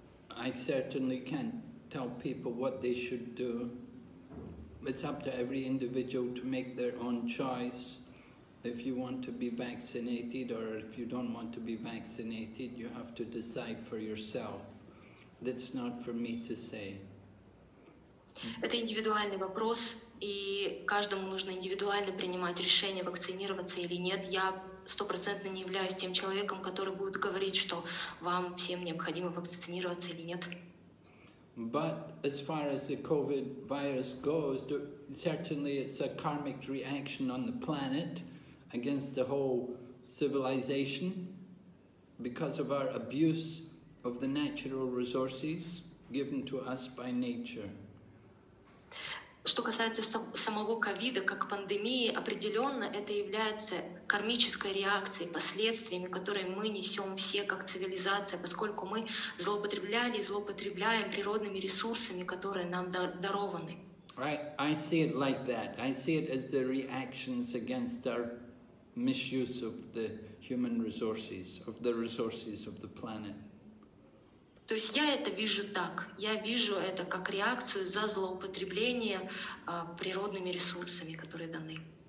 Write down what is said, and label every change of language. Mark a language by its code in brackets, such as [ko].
[en] I certainly can't tell people what they should do. It's up to every individual to make their own choice. If you want to be vaccinated or if you don't want to be vaccinated, you have to decide for yourself. That's not for me to say. [ru] Это индивидуальный вопрос, и каждому нужно индивидуально принимать решение, вакцинироваться или нет. Я 100% не являюсь тем человеком, который будет говорить, что вам всем необходимо вакцинироваться или нет. [en] But as far as the COVID virus goes, certainly it's a karmic reaction on the planet against the whole civilization because of our abuse of the natural resources given to us by nature. [ru] Что касается самого ковида как пандемии, определенно это является кармической реакцией, последствиями, которые мы несем все как цивилизация, поскольку мы злоупотребляли и злоупотребляем природными ресурсами, которые нам дарованы. [en] I see it like that. I see it as the reactions against our misuse of the human resources, of the resources of the planet. [ru] То есть я это вижу так. Я вижу это как реакцию за злоупотребление природными ресурсами, которые даны.